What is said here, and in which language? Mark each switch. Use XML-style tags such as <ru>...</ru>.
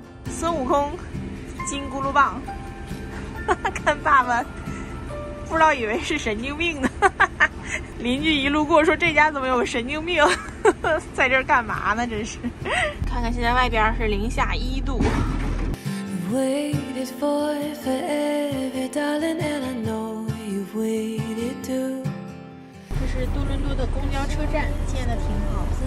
<zh>孙悟空金箍噜棒，看爸爸不知道以为是神经病呢。邻居一路过说这家怎么有神经病，在这儿干嘛呢，真是。看看现在外边是-1°。</zh> <en>Waited for forever, darling, and I know you've waited too.</en> <zh>这是多伦多的公交车站，建的挺好。</zh>